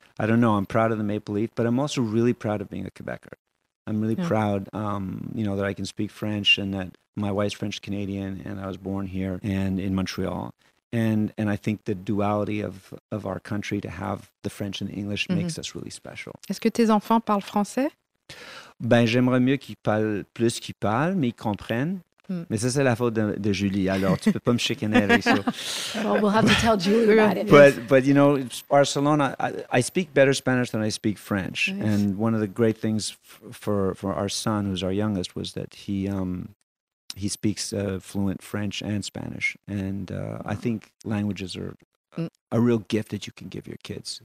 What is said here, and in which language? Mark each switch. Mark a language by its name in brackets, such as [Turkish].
[English] But I don't know. I'm proud of the maple leaf, but I'm also really proud of being a Quebecer. I'm really proud, you know, that I can speak French and that my wife's French Canadian and I was born here and in Montreal. And I think the duality of our country to have the French and the English makes us really special. [French] Est-ce que tes enfants parlent français? Ben, j'aimerais mieux qu'ils parlent plus qu'ils parlent, mais ils comprennent. Mais ça, c'est la faute de Julie. Alors, tu peux pas me chicaner avec ça. [English] Well, we'll have to tell Julie about it. But you know, Barcelona, I speak better Spanish than I speak French. Yes. And one of the great things for our son, who's our youngest, was that he speaks fluent French and Spanish. And I think languages are a real gift that you can give your kids.